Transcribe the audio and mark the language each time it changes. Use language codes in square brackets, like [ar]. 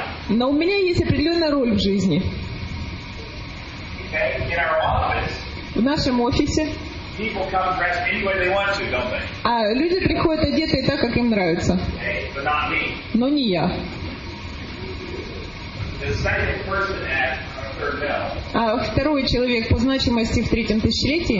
[ru] Но у меня есть определенная роль в жизни. [en] in our office. [ru] В нашем офисе. [en] People come dressed any way they want to, don't they? [ru] А люди приходят одетые так, как им нравится. [en] Hey, but not me. [ru] Но не я. [en] The second person at our third bell. [ru] А второй человек по значимости в третьем тысячелетии.